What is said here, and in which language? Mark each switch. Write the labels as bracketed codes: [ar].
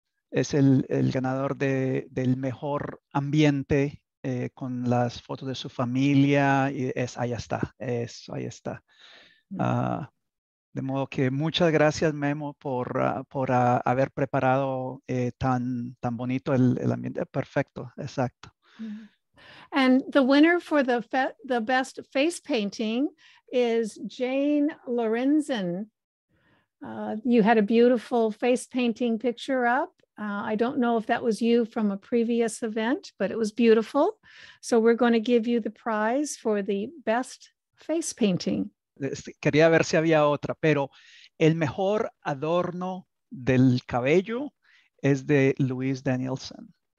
[es] Es el ganador del mejor ambiente con las fotos de su familia. Y es, ahí está, eso, ahí está. De modo que muchas gracias, Memo, por haber preparado tan bonito el ambiente. Perfecto, exacto. [en] And the winner for the best face painting is Jane Lorenzen. You had a beautiful face painting picture up. I don't know if that was you from a previous event, but it was beautiful. So we're going to give you the prize for the best face painting. [es] Quería ver si había otra, pero el mejor adorno del cabello es de Luis Danielson.